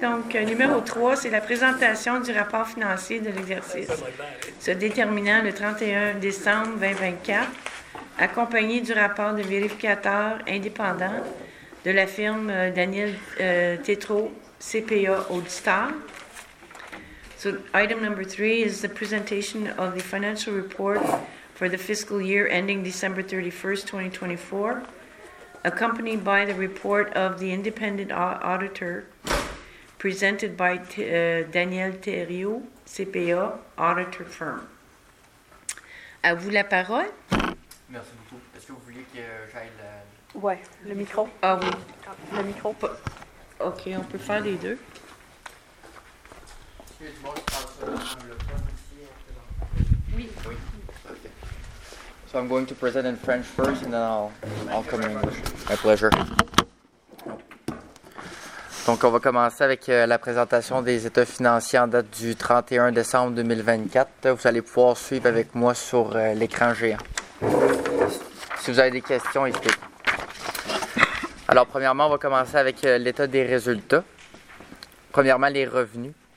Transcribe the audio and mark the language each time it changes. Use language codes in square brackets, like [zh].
[fr] Donc, numéro 3, c'est la présentation du rapport financier de l'exercice. Se déterminant le 31 décembre 2024, accompagné du rapport de vérificateur indépendant de la firme Daniel Tétrault, CPA Auditeur. [en] So item number 3 is the presentation of the financial report for the fiscal year ending December 31st, 2024, accompanied by the report of the independent auditor presented by Daniel Thériault, CPA, auditor firm. [fr] À vous la parole. Merci beaucoup. Est-ce que vous voulez que j'aille le... Ouais, le micro. Ah oui. Le micro. OK, on peut faire les deux. [en] So I'm going to present in French first, and then I'll come in English. My pleasure. [fr] Donc, on va commencer avec la présentation des états financiers en date du 31 décembre 2024. Vous allez pouvoir suivre avec moi sur l'écran géant. Si vous avez des questions, n'hésitez pas. Alors, premièrement, on va commencer avec l'état des résultats. Premièrement, les revenus.